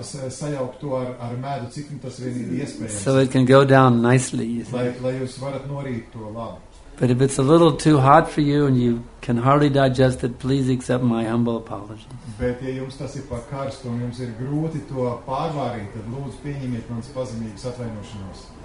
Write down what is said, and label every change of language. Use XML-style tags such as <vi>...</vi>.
<lv>Sajaukt to ar medu, cik tas vien ir iespējams.</lv> <en>So it can go down nicely.</en> <lv>Lai jūs varat norīt to labi.</lv> <en>But if it's a little too hot for you and you can hardly digest it, please accept my humble apology.</en> <lv>Bet ja jums tas ir par karstu un jums ir grūti to pārvārīt, tad lūdzu pieņemiet manas pazemīgas atvainošanos.</lv>